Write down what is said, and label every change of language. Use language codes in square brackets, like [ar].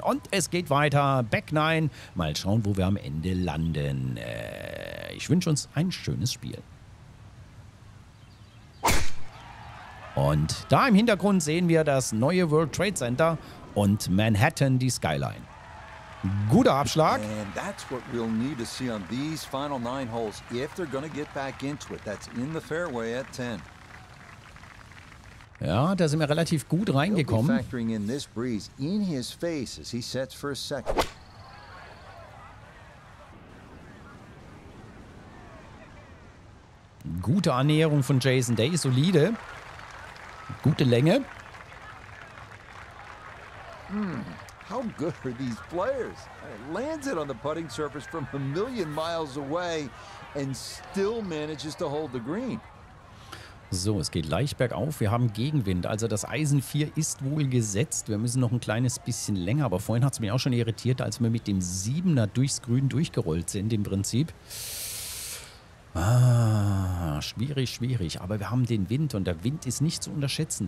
[de] Und es geht weiter. Back 9. Mal schauen, wo wir am Ende landen. Ich wünsche uns ein schönes Spiel. Und da im Hintergrund sehen wir das neue World Trade Center und Manhattan, die Skyline. Guter Abschlag. [en] And that's what we'll need to see on these final nine holes if they're going to get back into it. That's in the fairway at 10. [de] Ja, da sind wir relativ gut reingekommen. [en] He'll be factoring in this breeze in his face as he sets for a second. [de] Gute Annäherung von Jason Day, solide. Gute Länge. [en] How good are these players? It lands it on the putting surface from a million miles away and still manages to hold the green. [de] So, es geht leicht bergauf. Wir haben Gegenwind. Also das Eisen 4 ist wohl gesetzt. Wir müssen noch ein kleines bisschen länger. Aber vorhin hat es mich auch schon irritiert, als wir mit dem 7er durchs Grün durchgerollt sind im Prinzip. Ah, schwierig, schwierig. Aber wir haben den Wind und der Wind ist nicht zu unterschätzen.